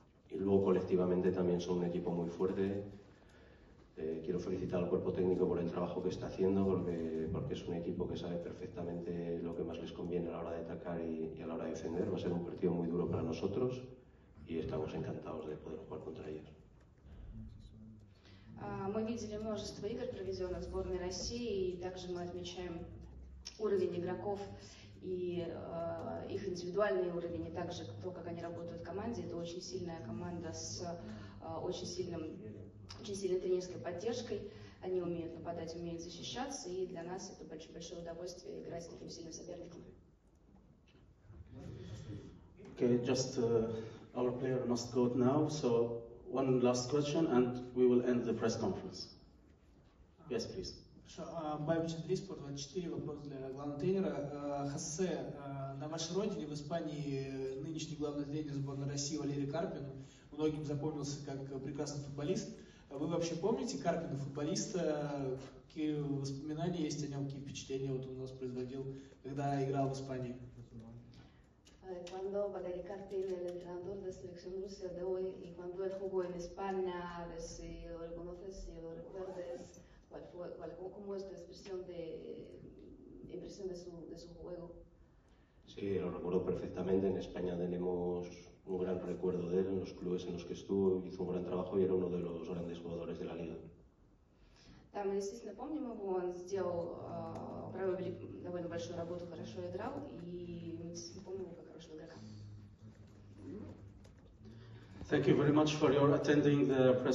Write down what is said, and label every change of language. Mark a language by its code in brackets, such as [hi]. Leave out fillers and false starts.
[es] Y luego colectivamente también son un equipo muy fuerte. Quiero felicitar al cuerpo técnico por el trabajo que está haciendo, porque es un equipo que sabe perfectamente lo que más les conviene a la hora de atacar y a la hora de defender. Va a ser un partido muy duro para nosotros y estamos encantados de poder jugar contra ellos. [ru] Мы видели множество игр, проведенных сборной России, и также мы отмечаем уровень игроков и их индивидуальный уровень, и также то, как они работают в команде. Это очень сильная команда с очень сильным очень сильной тренерской поддержкой. Они умеют нападать, умеют защищаться, и для нас это очень большое удовольствие играть с таким сильным соперником. [en] Okay, just our player must go now, so one last question and we will end the press conference. Yes, please. [ru] Байбича 3Sport, 24, вопрос для главного тренера. Хосе, на вашей родине, в Испании, нынешний главный тренер сборной России Валерий Карпин многим запомнился как прекрасный футболист. Вы вообще помните Карпина, футболиста? Какие воспоминания есть о нем, какие впечатления вот он у нас производил, когда играл в Испании? [es] Cuando Valery Karpin, el entrenador de selección Rusia de hoy, y cuando él jugó en España, a ver si lo reconoces, si lo recuerdes, ¿cuál fue, cómo es tu impresión de su juego? Sí, lo recuerdo perfectamente. En España tenemos un gran recuerdo de él, en los clubes en los que estuvo, hizo un gran trabajo y era uno de los grandes jugadores de la liga. [ru] Да, мы действительно помним его, он сделал, провел довольно большую работу, хорошо играл, и мы действительно помним его как хорошего игрока. [en] Thank you very much for your attending the press.